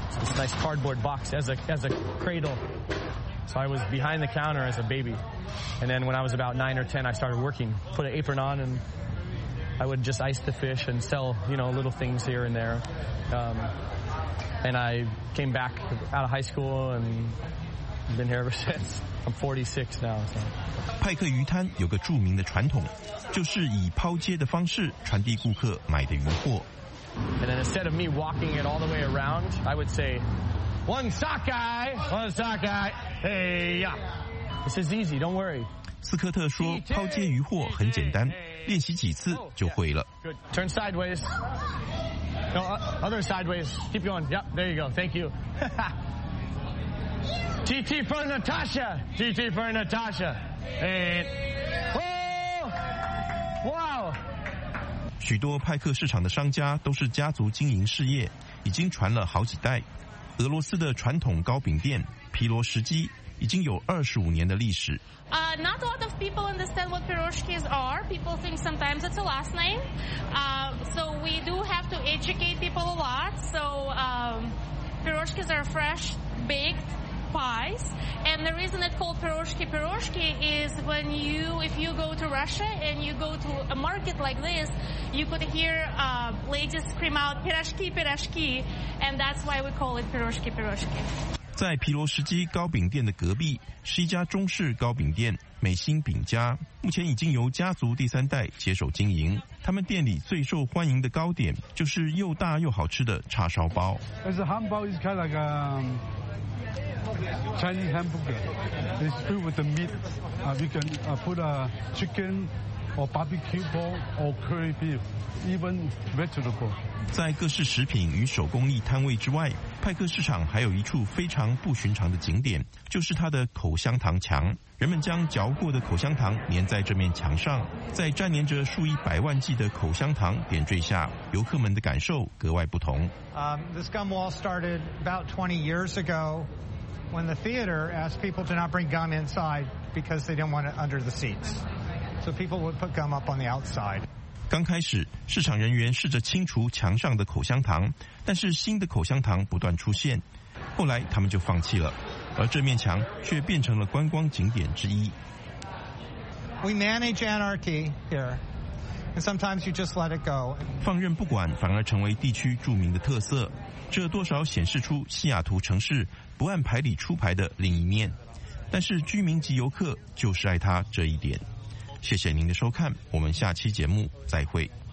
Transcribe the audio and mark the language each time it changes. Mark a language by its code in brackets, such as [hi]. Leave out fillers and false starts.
[en] It's a nice cardboard box as a cradle. So I was behind the counter as a baby. And then when I was about 9 or 10, I started working. Put an apron on and I would just ice the fish and sell, you know, little things here and there. And I came back out of high school and been here ever since. I'm 46 now. [zh] 派克鱼摊有个著名的传统，就是以抛接的方式传递顾客买的鱼货。 [en] And then instead of me walking it all the way around, I would say,One sockeye, hey ya. This is easy, don't worry. [zh] 斯科特说抛接鱼货很简单，练习几次就会了。 [en] Good. Turn sideways. No, other sideways. Keep going. Yep, there you go. Thank you. TT for Natasha. TT for Natasha. Hey. Oh! Wow. [zh] 许多派克市场的商家都是家族经营事业，已经传了好几代。俄罗斯的传统糕饼店皮罗什基已经有25年的历史。 [en] Not a lot of people understand what pierogies are. People think sometimes it's a last name. So we do have to educate people a lot. So pierogies are fresh baked pies. And the reason it's called pierogi is if you go to Russia and you go to a market like this, you could hear ladies scream out pierogi. And that's why we call it pierogi. [zh] 在皮罗什基糕饼店的隔壁是一家中式糕饼店美心饼家，目前已经由家族第三代接手经营。他们店里最受欢迎的糕点就是又大又好吃的叉烧包。 [en] It's a hamburger, it's kind of like a Chinese hamburger. It's filled with the meat. You can put a chicken or barbecue pork or curry beef, even vegetable. [zh] 在各式食品与手工艺摊位之外，派克市场还有一处非常不寻常的景点，就是它的口香糖墙。人们将嚼过的口香糖粘在这面墙上，在粘连着数以百万计的口香糖点缀下，游客们的感受格外不同。 [en] This gum wall started about 20 years ago. When the theater asked people to not bring gum inside because they didn't want it under the seats. So people would put gum up on the outside. [zh] 刚开始市场人员试着清除墙上的口香糖，但是新的口香糖不断出现，后来他们就放弃了，而这面墙却变成了观光景点之一。 [en] We manage anarchy here, and sometimes you just let it go. [zh] 放任不管反而成为地区著名的特色，这多少显示出西雅图城市不按牌理出牌的另一面，但是居民及游客就是爱他这一点。谢谢您的收看，我们下期节目再会。